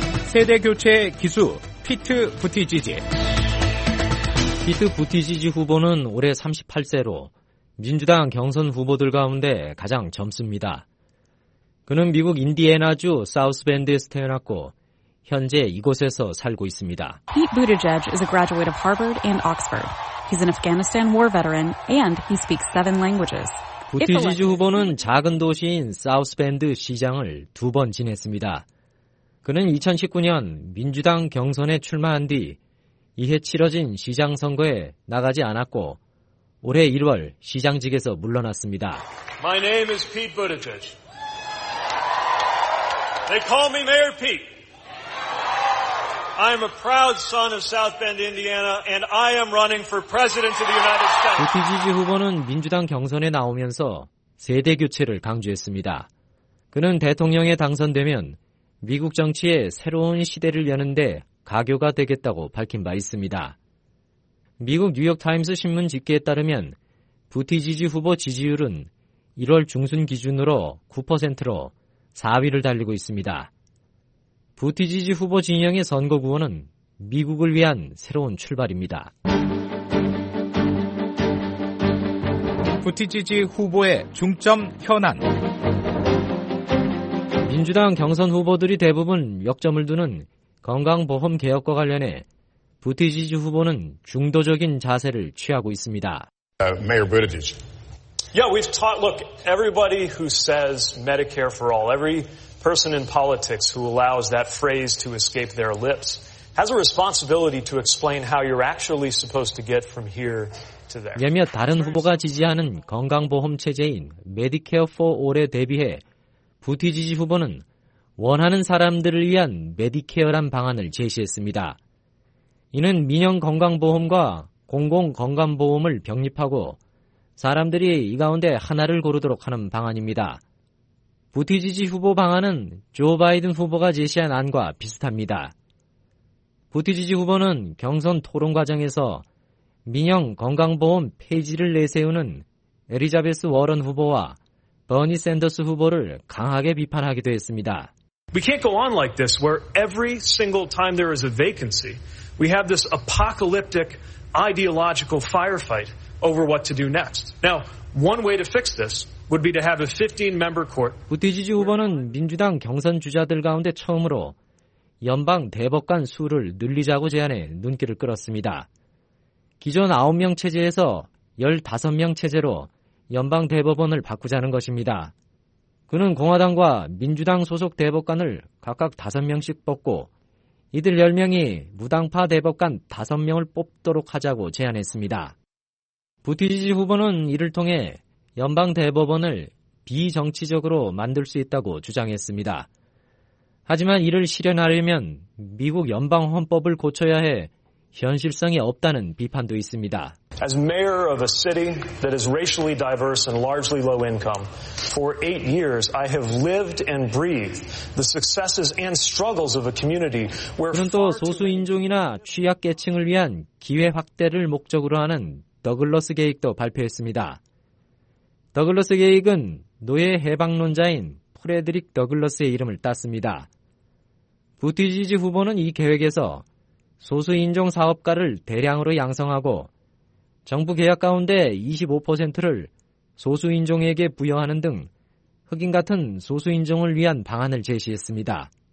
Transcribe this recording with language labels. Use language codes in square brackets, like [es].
[ko] 세대교체 기수 피트 부티지지. 피트 부티지지 후보는 올해 38세로 민주당 경선 후보들 가운데 가장 젊습니다. 그는 미국 인디애나주 사우스밴드에서 태어났고 현재 이곳에서 살고 있습니다. [en] Pete Buttigieg is a graduate of Harvard and Oxford. He's an Afghanistan war veteran and he speaks 7 languages. [ko] 부티지지 후보는 작은 도시인 사우스밴드 시장을 두 번 지냈습니다. 그는 2019년 민주당 경선에 출마한 뒤 이해 치러진 시장 선거에 나가지 않았고 올해 1월 시장직에서 물러났습니다. [en] My name is Pete Buttigieg. They call me Mayor Pete. I am a proud son of South Bend, Indiana, and I am running for president of the United States. [ko] 부티지지 후보는 민주당 경선에 나오면서 세대 교체를 강조했습니다. 그는 대통령에 당선되면 미국 정치의 새로운 시대를 여는데 가교가 되겠다고 밝힌 바 있습니다. 미국 뉴욕타임스 신문 집계에 따르면 부티지지 후보 지지율은 1월 중순 기준으로 9%로 4위를 달리고 있습니다. 부티지지 후보 진영의 선거 구호는 미국을 위한 새로운 출발입니다. 부티지지 후보의 중점 현안. 민주당 경선 후보들이 대부분 역점을 두는 건강보험 개혁과 관련해 부티지지 후보는 중도적인 자세를 취하고 있습니다. [en] Mayor Buttigieg. Yeah, we've taught, look, everybody who says Medicare for all, every person in politics who allows that phrase to escape their lips has a responsibility to explain how you're actually supposed to get from here to there. [ko] 몇몇 다른 후보가 지지하는 건강보험 체제인 Medicare for all에 대비해 부티지지 후보는 원하는 사람들을 위한 메디케어란 방안을 제시했습니다. 이는 민영 건강보험과 공공 건강보험을 병립하고 사람들이 이 가운데 하나를 고르도록 하는 방안입니다. 부티지지 후보 방안은 조 바이든 후보가 제시한 안과 비슷합니다. 부티지지 후보는 경선 토론 과정에서 민영 건강보험 폐지를 내세우는 엘리자베스 워런 후보와 버니 샌더스 후보를 강하게 비판하기도 했습니다. [en] We can't go on like this where every single time there is a vacancy, we have this apocalyptic ideological firefight over what to do next. Now, one way to fix this would be to have a 15-member court. [ko] 부티지지 후보는 민주당 경선 주자들 가운데 처음으로 연방 대법관 수를 늘리자고 제안해 눈길을 끌었습니다. 기존 9명 체제에서 15명 체제로 연방 대법원을 바꾸자는 것입니다. 그는 공화당과 민주당 소속 대법관을 각각 5명씩 뽑고 이들 10명이 무당파 대법관 5명을 뽑도록 하자고 제안했습니다. 부티지지 후보는 이를 통해 연방 대법원을 비정치적으로 만들 수 있다고 주장했습니다. 하지만 이를 실현하려면 미국 연방 헌법을 고쳐야 해 현실성이 없다는 비판도 있습니다. [en] As mayor of a city that is racially diverse and largely low income, for 8 years I have lived and breathed the successes and struggles of a community where [ko] 그는 또 소수 인종이나 취약계층을 위한 기회 확대를 목적으로 하는 더글러스 계획도 발표했습니다. 더글러스 계획은 노예 해방론자인 프레드릭 더글러스의 이름을 땄습니다. 부티지지 후보는 이 계획에서 소수 인종 사업가를 대량으로 양성하고 정부 계약 가운데 25%를 소수 인종에게 부여하는 등 흑인 같은 소수 인종을 위한 방안을 제시했습니다.